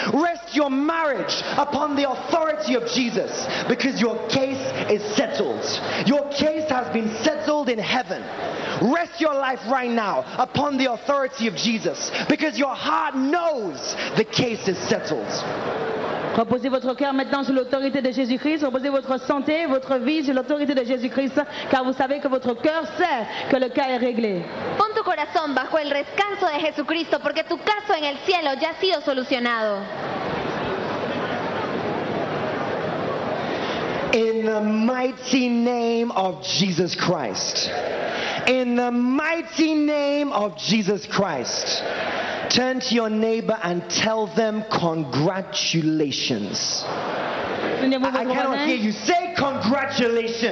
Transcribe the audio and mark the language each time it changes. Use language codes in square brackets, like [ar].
[en] Rest your marriage upon the authority of Jesus. Because your case is settled. Your case has been settled in heaven. Rest your life right now upon the authority of Jesus. Because your heart knows the case is settled. [fr] Reposez votre cœur maintenant sous l'autorité de Jésus-Christ. Reposez votre santé, votre vie sous l'autorité de Jésus-Christ. Car vous savez que votre cœur sait que le cas est réglé. [es] Pon tu corazón bajo el descanso de Jesucristo porque tu caso en el cielo ya ha sido solucionado. [en] In the mighty name of Jesus Christ. In the mighty name of Jesus Christ. Turn to your neighbor and tell them congratulations. I cannot hear you. Say congratulations.